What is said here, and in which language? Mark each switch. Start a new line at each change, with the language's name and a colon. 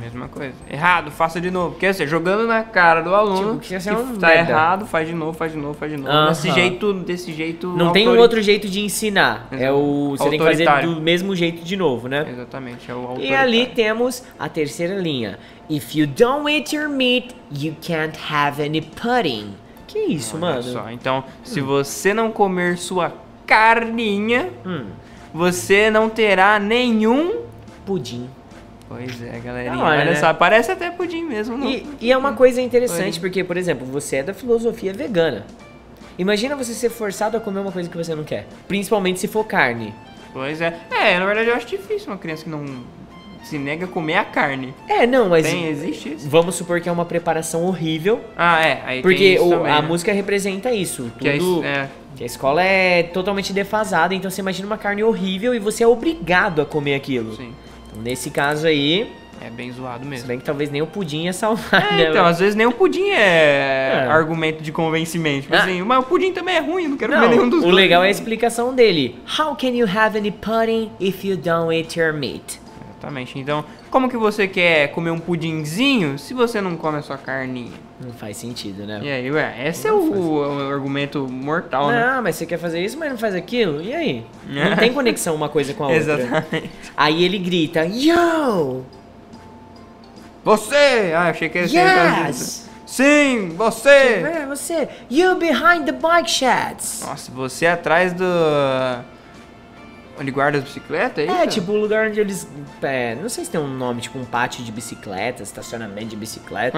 Portuguese: Mesma coisa. Errado, faça de novo. Quer dizer, jogando na cara do aluno. Tipo, que um tá medo. Errado, faz de novo. Uh-huh. Desse jeito... Não tem um outro jeito de ensinar. Exato. Você tem que fazer do mesmo jeito de novo, né? Exatamente, é o autoritário. E ali temos a terceira linha.
English: If you don't eat your meat, you can't have any pudding.
Portuguese: Que isso, olha, mano? Só. Então, se você não comer sua carninha, você não terá nenhum... pudim. Pois é, galerinha. Olha, né? Só, parece até pudim mesmo. E é uma coisa interessante, porque, por exemplo, você é da filosofia vegana. Imagina você ser forçado a comer uma coisa que você não quer. Principalmente se for carne. Pois é. É, na verdade, eu acho difícil uma criança que não... se nega a comer a carne. É, não, mas... Tem, existe isso. Vamos supor que é uma preparação horrível. Ah, é. Aí porque porque a né? música representa isso. Tudo... Que a escola é totalmente defasada, então você imagina uma carne horrível e você é obrigado a comer aquilo. Sim. Então, nesse caso aí... É bem zoado mesmo. Se bem que talvez nem o pudim ia salvar, é, né? Então, às vezes nem o pudim é argumento de convencimento. Mas, assim, mas o pudim também é ruim, não quero comer nenhum dos dois. O legal é a explicação dele.
English: How can you have any pudding if you don't eat your meat?
Portuguese: Exatamente. Então, como que você quer comer um pudinzinho se você não come a sua carninha? Não faz sentido, né? E aí, ué, esse não é o argumento mortal, não, né? Ah, mas você quer fazer isso, mas não faz aquilo? E aí? Não tem conexão uma coisa com a outra. Exatamente. Aí ele grita, yo! Você! Ah, achei que ia ser...
English: Yes!
Portuguese: Sim, você! É, você!
English: You behind the bike sheds!
Portuguese: Nossa, você é atrás do... Onde guarda as bicicletas? É, tipo o lugar onde eles... É, não sei se tem um nome, tipo um pátio de bicicleta, estacionamento de bicicleta.